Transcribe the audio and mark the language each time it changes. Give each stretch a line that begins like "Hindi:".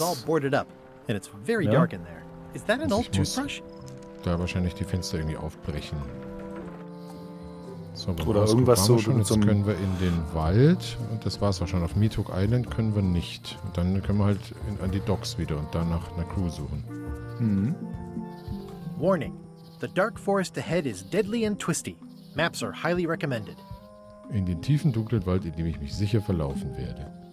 English: And it's very dark in there. Is that an old toothbrush?
German: Da wahrscheinlich die Fenster irgendwie aufbrechen. So, oder irgendwas so. Jetzt können wir in den Wald. Und das war's auch schon. Auf Meetook Island können wir nicht. Und dann können wir halt an die Docks wieder und danach eine Crew suchen. Mhm.
English: Warning. The dark forest ahead is deadly and twisty. Maps are highly recommended.
German: In den tiefen dunklen Wald, in dem ich mich sicher verlaufen werde.